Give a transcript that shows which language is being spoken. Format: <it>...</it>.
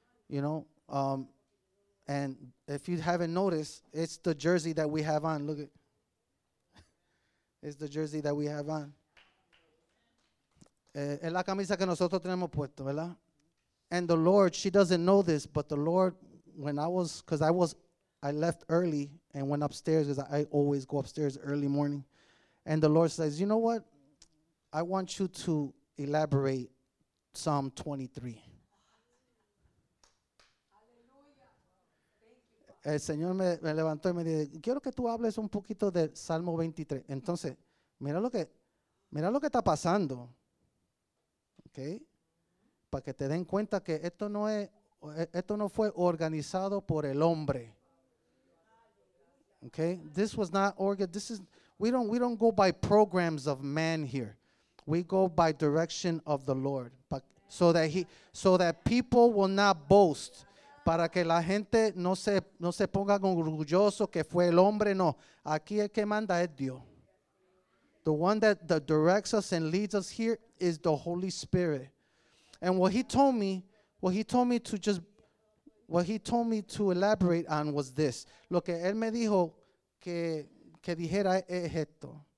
<en>You know, and if you haven't noticed, it's the jersey that we have on. Look at it's the jersey that we have on.</en> <es>Es la camisa que nosotros tenemos puesto, ¿verdad?</es> <en>And the Lord, she doesn't know this, but the Lord, when I was, because I left early and went upstairs, because I always go upstairs early morning. And the Lord says, you know what? I want you to elaborate Psalm 23.</en> <es>El Señor me levantó y me dijo, quiero que tú hables un poquito del Salmo 23. Entonces, mira lo que está pasando. ¿Ok? Para que te den cuenta que esto no fue organizado por el hombre.</es> <en>¿Ok? This was not organized. We don't go by programs of man here. We go by direction of the Lord. So that people will not boast.</en> <es>Para que la gente no se ponga orgulloso que fue el hombre, no. Aquí el que manda es Dios.</es> <en>The one that directs us and leads us here is the Holy Spirit. And what he told me to elaborate on was this.</en> <es>Lo que él me dijo que dijera es esto.</es>